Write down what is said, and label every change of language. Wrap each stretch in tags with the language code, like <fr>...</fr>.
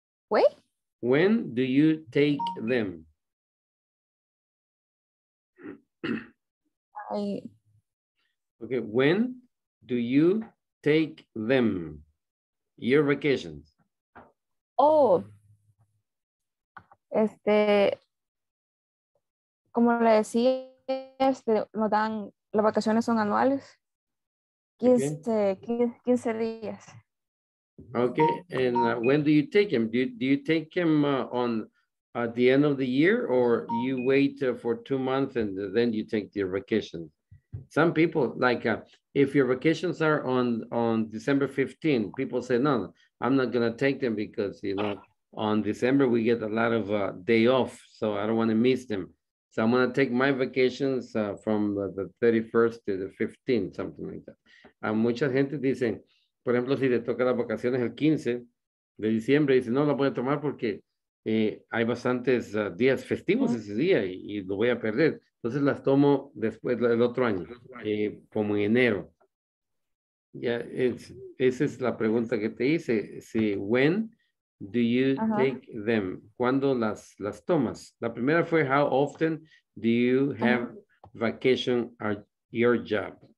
<en>Wait. When do you take them? Okay, when do you take them, your vacations?</en> <es>Oh, como le decía, nos dan, las vacaciones son anuales, 15 días.</es> <en>Okay, and when do you take them? Do you take them on at the end of the year, or you wait for 2 months and then you take your vacation? Some people, like if your vacations are on December 15, people say, no, I'm not going to take them because, you know, on December we get a lot of day off, so I don't want to miss them. So I'm going to take my vacations from the 31st to the 15th, something like that. And</en> <es>mucha gente dice, por ejemplo, si te toca las vacaciones el 15 de diciembre, dice, no, la voy a tomar porque hay bastantes días festivos ese día y lo voy a perder. Entonces las tomo después del otro año, como en enero. Ya, esa es la pregunta que te hice. Sí,</es> <en>when do you take them?</en> <es>¿Cuándo las tomas? La primera fue,</es> <en>how often do you have vacation at your job?</en>